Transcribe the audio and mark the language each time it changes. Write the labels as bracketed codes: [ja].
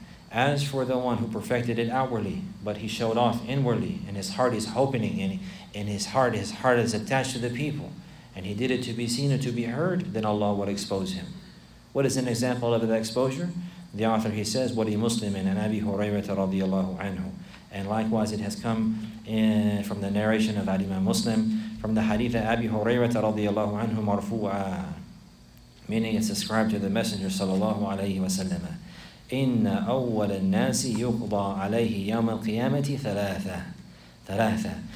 [en] As for the one who perfected it outwardly, but he showed off inwardly, and his heart is opening, and in his heart is attached to the people, and he did it to be seen or to be heard, then Allah would expose him. What is an example of that exposure? The author, he says, [ar] وَلِي مُسْلِمٍ أَنْ أَبِي هُرَيْرَةَ رَضِيَ اللَّهُ عَنْهُ. [en] And likewise, it has come in from the narration of Imam Muslim, from the hadith of Abi Hurairah [ar] رَضِيَ اللَّهُ عَنْهُ مَرْفُوعًا, [en] meaning it's ascribed to the Messenger sallallahu alayhi wa sallam. [ar] إِنَّ أَوَّلَ النَّاسِ يُقْضَى عَلَيْهِ يَوْمَ الْقِيَامَةِ ثَلَاثَةً.